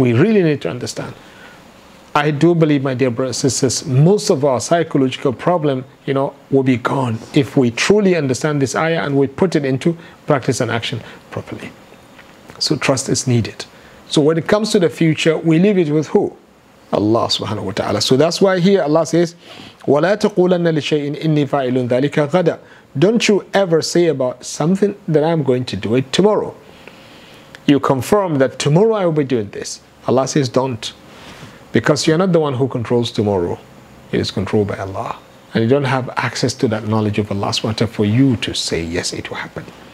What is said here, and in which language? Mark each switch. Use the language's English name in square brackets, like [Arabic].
[English] We really need to understand. I do believe, my dear brothers and sisters, most of our psychological problem, you know, will be gone if we truly understand this ayah and we put it into practice and action properly. So trust is needed. So when it comes to the future, we leave it with who? Allah subhanahu wa ta'ala. So that's why here Allah says, [Arabic] وَلَا تَقُولَنَّ لِشَيْءٍ إِنِّي فَاعِلٌ ذَلِكَ غَدًا. [English] Don't you ever say about something that I'm going to do it tomorrow. You confirm that tomorrow I will be doing this. Allah says, don't. Because you're not the one who controls tomorrow. It is controlled by Allah. And you don't have access to that knowledge of Allah subhanahu wa ta'ala for you to say, yes, it will happen.